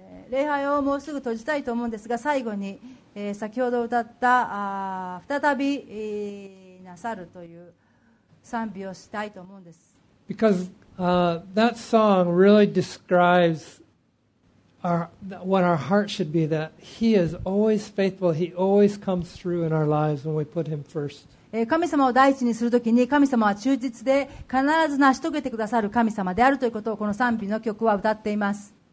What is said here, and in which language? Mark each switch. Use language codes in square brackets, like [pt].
[ja] 礼拝をもうすぐ閉じたいと思うんですが、最後に、先ほど歌った、再び、なさるという賛美をしたいと思うんです。 [en] Because that song really describes what our heart should be. That He is always faithful. He always comes through in our lives when we put Him first. [ja] 神様を第一にするときに、神様は忠実で必ず成し遂げてくださる神様であるということをこの賛美の曲は歌っています。